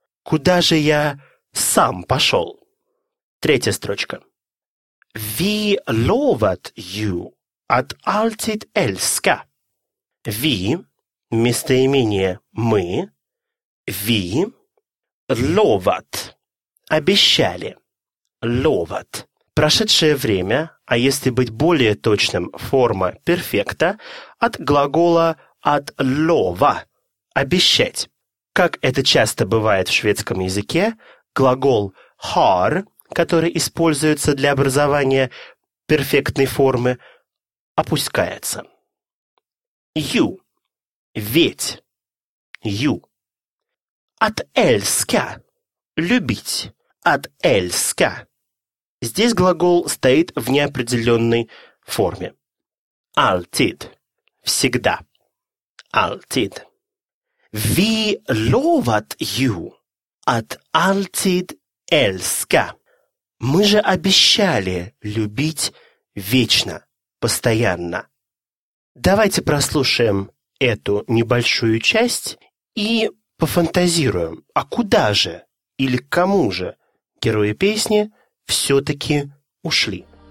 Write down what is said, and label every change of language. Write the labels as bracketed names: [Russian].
[Russian] Куда же я сам пошел? Третья строчка. [Swedish] Vi lovat ju att alltid älska. Vi, [Russian] местоимение мы, [Swedish] vi, lovat, обещали, lovat. [Russian] Прошедшее время, а если быть более точным, форма перфекта, от глагола от лова – обещать. Как это часто бывает в шведском языке, глагол har, который используется для образования перфектной формы, опускается. [Swedish] You – ведь. You. [Russian] От älska – любить. От älska. Здесь глагол стоит в неопределенной форме. [Swedish] Alltid – всегда. Alltid. Vi lovat ju att alltid älska. [Russian] Мы же обещали любить вечно, постоянно. Давайте прослушаем эту небольшую часть и пофантазируем, а куда же или к кому же герои песни все-таки ушли.